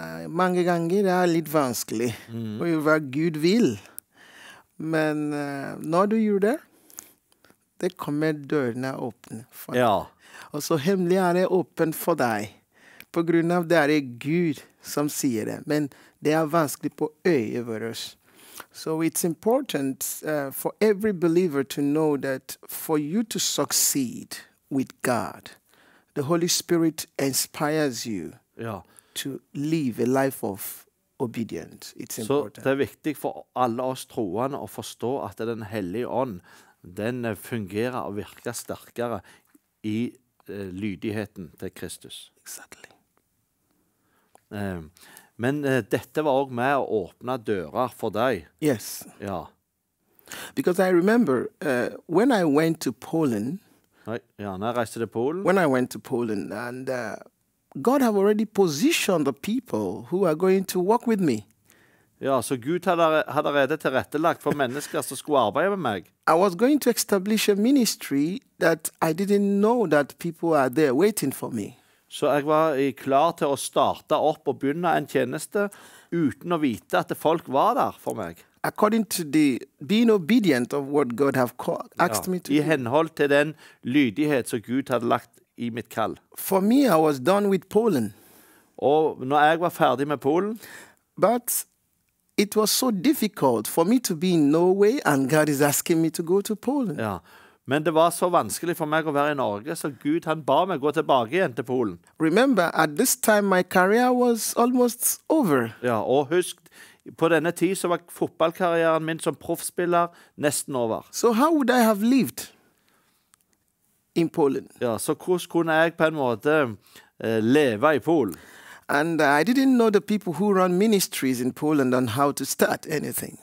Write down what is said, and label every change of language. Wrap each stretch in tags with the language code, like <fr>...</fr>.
<no>Mange ganger det er litt vanskelig å gjøre hva Gud vil. Men når du gjør det, det kommer dørene åpne for deg. Ja. Og så hemmelig er det åpen for deg. På grunn av det er det Gud som sier det. Men det er vanskelig på øyet vårt.</no> <en>So it's important for every believer to know that for you to succeed with God, the Holy Spirit inspires you to live a life of obedience. It's important.</en> <no>Så det er viktig for alle oss troende å forstå at den hellige ånd, den fungerer og virker sterkere i lydigheten til Kristus.</no> <en>Exactly.</en> <no>Men dette var også med å åpne dører for deg.</no> <en>Yes.</en> <no>Ja.</no> <en>Because I remember, when I went to Poland,</en> <no>Når jeg reiste til Polen,</no> <en>when I went to Poland, and God have already positioned the people who are going to walk with me.</en> <no>Ja, så Gud hadde redde tilrettelagt for mennesker som skulle arbeide med meg.</no> <en>I was going to establish a ministry that I didn't know that people are there waiting for me.</en> <no>Så jeg var klar til å starte opp og begynne en tjeneste uten å vite at folk var der for meg.</no> <en>According to the being obedient of what God have called, asked me to do.</en> <no>I henhold til den lydighet som Gud hadde lagt i mitt kall.</no> <en>For me, I was done with Poland.</en> <no>Og når jeg var ferdig med Polen.</no> <en>But it was so difficult for me to be in Norway and God is asking me to go to Poland.</en> <no>Ja, men det var så vanskelig for meg å være i Norge, så Gud han ba meg gå tilbake igjen til Polen.</no> <en>Remember, at this time my career was almost over.</en> <no>Ja, og husk, på denne tid så var fotballkarrieren min som proffspiller nesten over.</no> <en>So how would I have lived in Poland?</en> <no>Ja, så hvordan kunne jeg på en måte leve i Polen?</no> <en>And I didn't know the people who run ministries in Poland on how to start anything.</en>